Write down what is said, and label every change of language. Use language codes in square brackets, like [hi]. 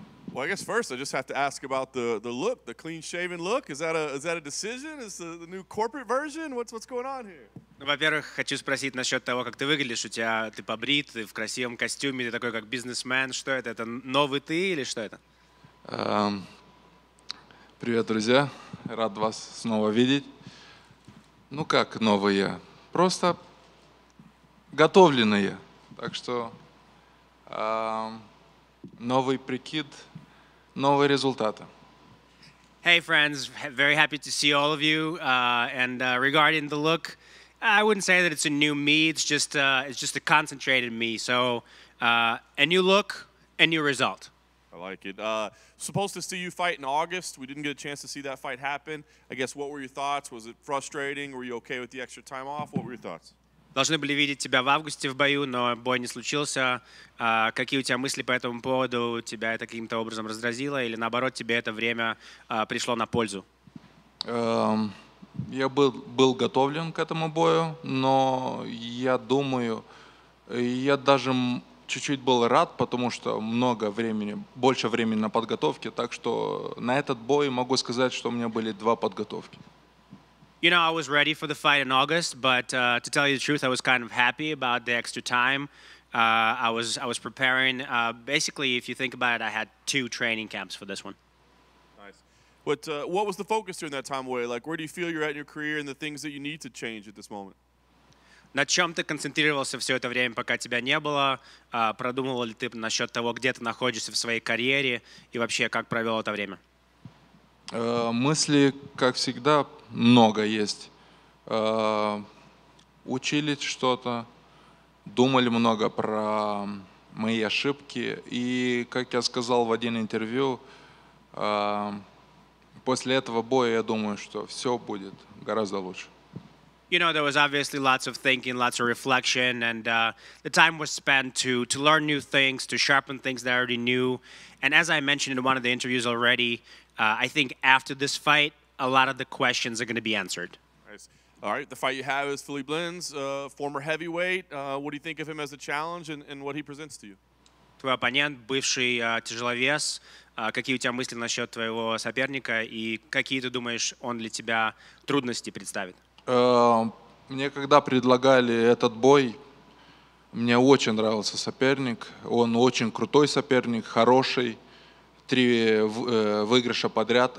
[en] Well, I guess first I just have to ask about the look, the clean-shaven look. Is that a decision? Is the new corporate version? What's going on here? [ru] Ну, во-первых, хочу спросить насчет того, как ты выглядишь. У тебя ты побрит, ты в красивом костюме, ты такой как бизнесмен. Что это новый ты или что это? Привет, друзья. Рад вас снова видеть. Ну как новый я? Просто готовленный я. Так что новый прикид, новые результаты. [en] Hey, friends. Very happy to see all of you. And regarding the look, I wouldn't say that it's a new me. It's just a concentrated me. So a new look, a new result. I like it. Supposed to see you fight in August. We didn't get a chance to see that fight happen. I guess, what were your thoughts? Was it frustrating? Were you okay with the extra time off? What were your thoughts? [ru] Должны были видеть тебя в августе в бою, но бой не случился. Какие у тебя мысли по этому поводу? Тебя это каким-то образом раздразило? Или наоборот, тебе это время пришло на пользу? Я был готовлен к этому бою, но я думаю, я даже чуть-чуть был рад, потому что много времени, больше времени на подготовке, так что на этот бой могу сказать, что у меня были два подготовки. [en] You know, I was ready for the fight in August, but to tell you the truth, I was kind of happy about the extra time. I was preparing. Basically, if you think about it, I had two training camps for this one. But what was the focus during that time away? Like, where do you feel you're at in your career and the things that you need to change at this moment? [ru] На чем ты концентрировался все это время, пока тебя не было? Продумывал ли ты насчет того, где ты находишься в своей карьере и вообще, как провел это время? Мысли, как всегда, много есть. Учили что-то, думали много про мои ошибки. И, как я сказал в один интервью, после этого боя я думаю, что все будет гораздо лучше. [en] You know, there was obviously lots of thinking, lots of reflection, and the time was spent to learn new things, to sharpen things that I already knew. And as I mentioned in one of the interviews already, I think after this fight, a lot of the questions are going to be answered. Nice. All right, the fight you have is Philipe Lins, former heavyweight. What do you think of him as a challenge and what he presents to you? [ru] Твой оппонент, бывший тяжеловес. Какие у тебя мысли насчет твоего соперника и какие, ты думаешь, он для тебя трудности представит? Мне когда предлагали этот бой, мне очень нравился соперник. Он очень крутой соперник, хороший. Три выигрыша подряд.